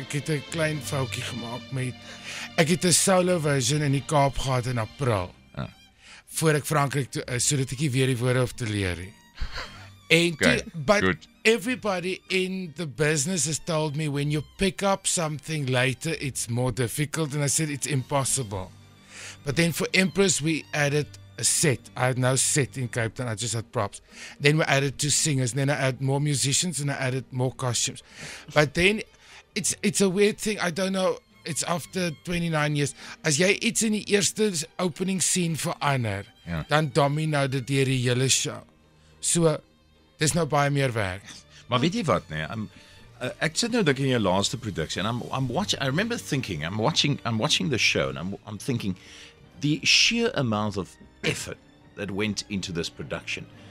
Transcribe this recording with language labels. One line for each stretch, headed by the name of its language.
Afrikaans: Ek het een klein foutjie gemaakt met, ek het een solo version in die Kaap gehad in April, voor ek Frankrijk toe is, so dat ek hier weer die woorde hoef te leer.
English: En but everybody in the business has told me when you pick up something later, it's more difficult. And I said, it's impossible. But then for Empress, we added a set. I had no set in Cape Town. I just had props. Then we added two singers. Then I added more musicians and I added more costumes. But then it's a weird thing. I don't know. It's after 29 years.
Afrikaans: As jy iets in die eerste opening scene verander, dan domino dit deur die hele show. So... Dis nou baie meer werk. Maar weet jy wat, nee? Ek sit nou dink in jou laaste produksie, en
English: I'm watching the show, and I'm thinking, the sheer amount of effort that went into this production.